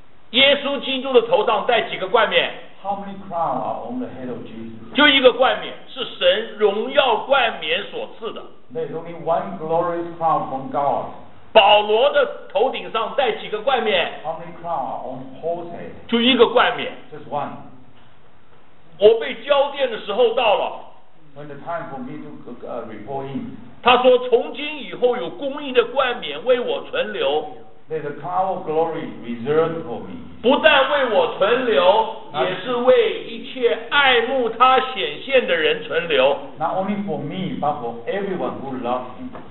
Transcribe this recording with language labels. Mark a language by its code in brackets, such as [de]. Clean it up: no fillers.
[zh] 耶稣基督的头上带几个冠冕？ [en] How many crowns are on the head of Jesus? [zh] 就一个冠冕，是神荣耀冠冕所赐的。 [en] There's only one glorious crown from God. [zh] 保罗的头顶上戴几个冠冕？ [en] How many crowns are on Paul's head? [zh] 就一个冠冕。 [en] Just one. [zh] 我被交电的时候到了。 [en] When the time for me to report in. [zh] 他说从今以后有公义的冠冕为我存留。 [en] There's a crown of glory reserved for me. [zh] 不但为我存留，也是为一切爱慕他显现的人存留。 [en] Not only for me, but for everyone who loves him.